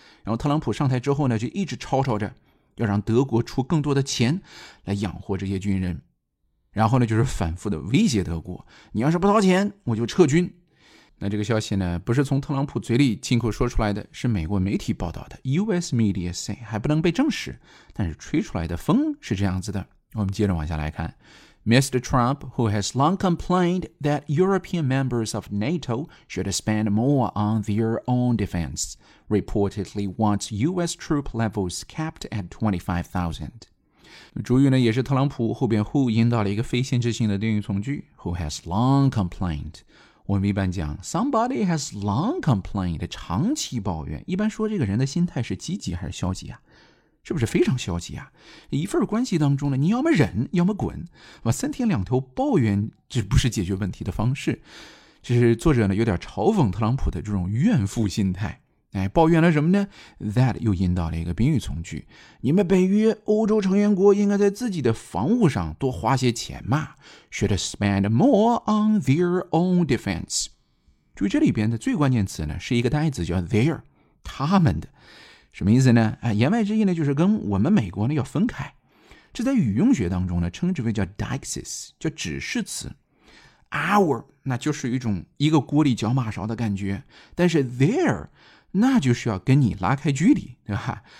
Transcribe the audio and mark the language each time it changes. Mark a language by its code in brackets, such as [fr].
[zh] 然后特朗普上台之后呢就一直吵吵着要让德国出更多的钱来养活这些军人，然后呢就是反复的威胁德国，你要是不掏钱我就撤军。那这个消息呢不是从特朗普嘴里亲口说出来的，是美国媒体报道的， [en] US media say， [zh] 还不能被证实，但是吹出来的风是这样子的。我们接着往下来看， [en] Mr. Trump, who has long complained that European members of NATO should spend more on their own defense, reportedly wants U.S. troop levels capped at 25,000. [zh] 主语呢也是特朗普后边 who 引导了一个非限制性的定语从句 [en] who has long complained [zh] 我们一般讲 [en] somebody has long complained [zh] 长期抱怨一般说这个人的心态是积极还是消极啊是不是非常消极啊一份关系当中呢你要么忍要么滚三天两头抱怨这不是解决问题的方式就是作者呢有点嘲讽特朗普的这种怨妇心态哎，抱怨了什么呢 That 又引导了一个宾语从句你们北约欧洲成员国应该在自己的防务上多花些钱嘛 [en] Should spend more on their own defense [zh] 注意这里边的最关键词呢是一个代词叫 their 他们的什么意思呢、言外之意呢就是跟我们美国呢要分开这在语用学当中呢称之为叫 deixis 叫指示词 Our 那就是一种一个锅里搅马勺的感觉但是 their那就是要跟你拉开距离对吧